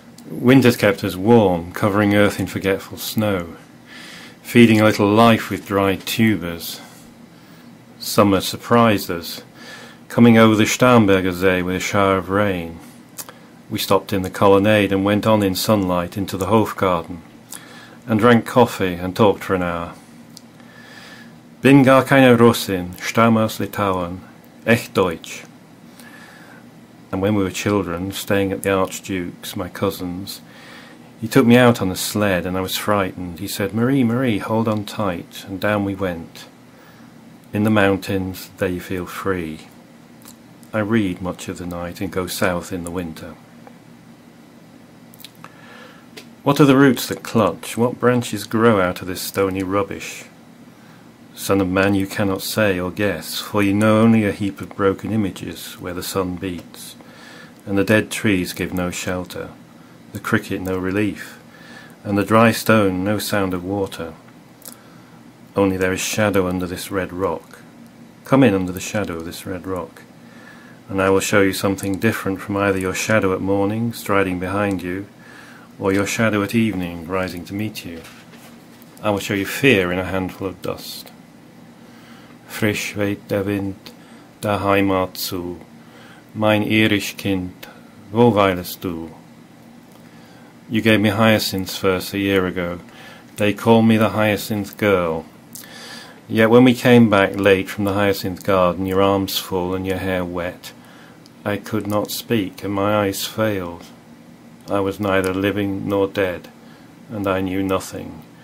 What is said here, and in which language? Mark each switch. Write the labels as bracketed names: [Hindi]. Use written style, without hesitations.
[English] Winter's kept us warm, covering earth in forgetful snow, feeding a little life with dried tubers. Summer surprised us, coming over the Starnberger See with a shower of rain. We stopped in the colonnade and went on in sunlight into the Hofgarten, and drank coffee and talked for an hour. [German] Bin gar keine Russin, stamme aus Litauen, echt Deutsch. [English] And when we were children, staying at the Archduke's, my cousin's, he took me out on the sled and I was frightened. He said, Marie, Marie, hold on tight, and down we went. In the mountains, there you feel free. I read much of the night and go south in the winter. What are the roots that clutch? What branches grow out of this stony rubbish? Son of man, you cannot say or guess, for you know only a heap of broken images where the sun beats, and the dead trees give no shelter, the cricket no relief, and the dry stone no sound of water. Only there is shadow under this red rock. Come in under the shadow of this red rock, and I will show you something different from either your shadow at morning striding behind you, or your shadow at evening rising to meet you. I will show you fear in a handful of dust. [German] Frisch weht der Wind der Heimat zu, mein irisch Kind, wo weilest du? [English] You gave me hyacinths first a year ago, they called me the hyacinth girl. Yet when we came back late from the hyacinth garden, your arms full and your hair wet, I could not speak and my eyes failed. I was neither living nor dead, and I knew nothing.